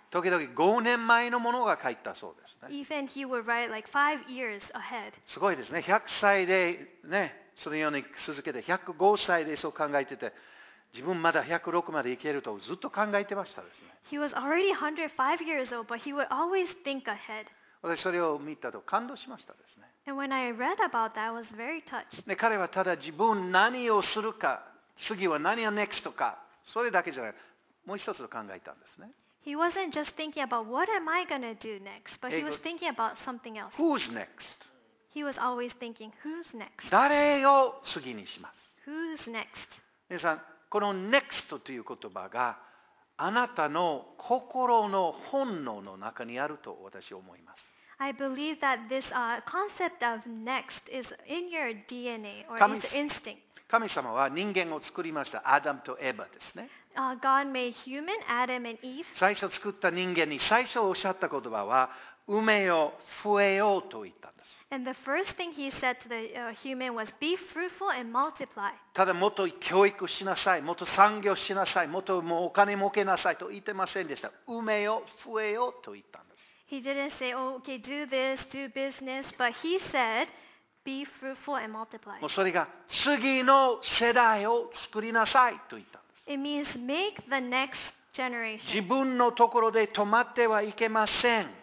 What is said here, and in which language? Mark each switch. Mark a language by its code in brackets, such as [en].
[ja] 時々5年前のものが書いたそうですね。 [en] Even he would write like 5 years ahead. [ja] すごいですね。100歳でね。そのように続けて105歳でそう考えてて、自分まだ106までいけるとずっと考えてましたですね。 [en] He was already 105 years old, but he would always think ahead. [ja] 私それを見たと感動しましたですね。 [en] And when I read about that, I was very touched. [ja] で、彼はただ自分何をするか、次は何が next とか、それだけじゃない、もう一つ考えたんですね。 [en] He wasn't just thinking about what am I going to do next, but he was thinking about something else. Who's next? He was always thinking, who's next? [ja] 誰を次にします。 [en] Who's next? [ja] 皆さん、この next という言葉があなたの心の本能の中にあると私は思います。 [en] I believe that this concept of next is in your DNA or in your instinct. [ja] 神様は人間を作りました。アダムとエバですね。 [en] God made human, Adam and Eve. [ja] 最初作った人間に最初おっしゃった言葉は、埋めよ、増えよと言ったんです。 [en] And the first thing he said to the human was, "Be fruitful and multiply." [ja] ただもっと教育しなさい、もっと産業しなさい、もっともうお金儲けなさいと言ってませんでした。埋めよ、増えよと言ったんです。 [en] He didn't say, "Oh, okay, do this, do business," but he said, "Be fruitful and multiply." [ja] もうそれが次の世代を作りなさいと言ったんです。 [en] It means make the next generation. [ja] 自分のところで止まってはいけません。